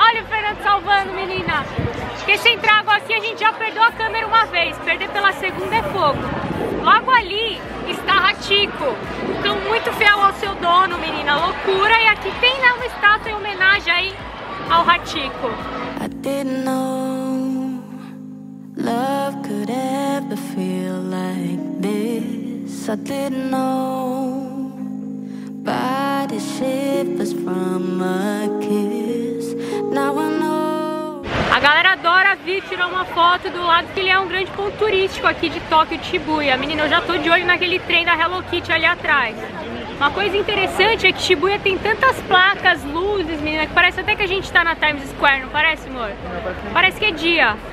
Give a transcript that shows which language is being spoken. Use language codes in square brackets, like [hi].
[pt] Olha o Fernando salvando, menina. Porque se entrar água aqui, a gente já perdeu a câmera uma vez. Perder pela segunda é fogo. Logo ali está Hachiko. Um cão muito fiel ao seu dono, menina. Loucura. E aqui tem uma estátua em homenagem aí ao Hachiko. [en] Didn't know love could ever feel like this. I didn't know body shivers from a kiss. Now I know. [pt] A galera adora vir tirar uma foto do lado, que ele é um grande ponto turístico aqui de Tóquio, Shibuya. Menina, eu já tô de olho naquele trem da Hello Kitty ali atrás. Uma coisa interessante é que Shibuya tem tantas placas, luzes, menina, que parece até que a gente tá na Times Square, não parece, amor? Parece que é dia.